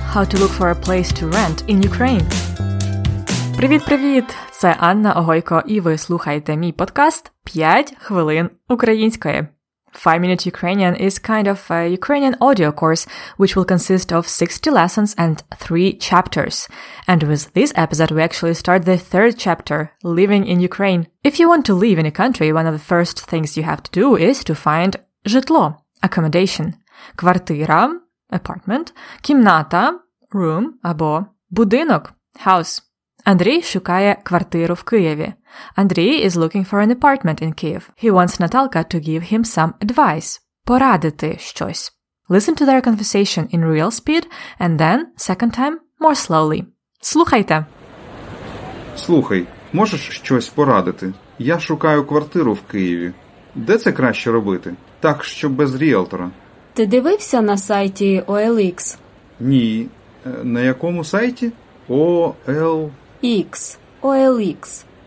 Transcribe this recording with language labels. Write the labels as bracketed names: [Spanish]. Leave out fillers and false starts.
[English] How to look for a place to rent in Ukraine. [Ukrainian] Привіт-привіт! Це Анна Огойко, і ви слухаєте мій подкаст «5 хвилин української». [English] 5-Minute Ukrainian is kind of a Ukrainian audio course, which will consist of 60 lessons and 3 chapters. And with this episode, we actually start the third chapter, Living in Ukraine. If you want to live in a country, one of the first things you have to do is to find житло, accommodation. [Ukrainian] Квартира, apartment, кімната, room, або будинок, house. Андрій шукає квартиру в Києві. [English] Андрій is looking for an apartment in Kyiv. He wants Наталка to give him some advice. [Ukrainian] Порадити щось. [English] Listen to their conversation in real speed, and then, second time, more slowly. [Ukrainian] Слухайте. Слухай, можеш щось порадити? Я шукаю квартиру в Києві. Де це краще робити? Так, щоб без ріелтора. Ти дивився на сайті OLX? Ні. На якому сайті? OLX.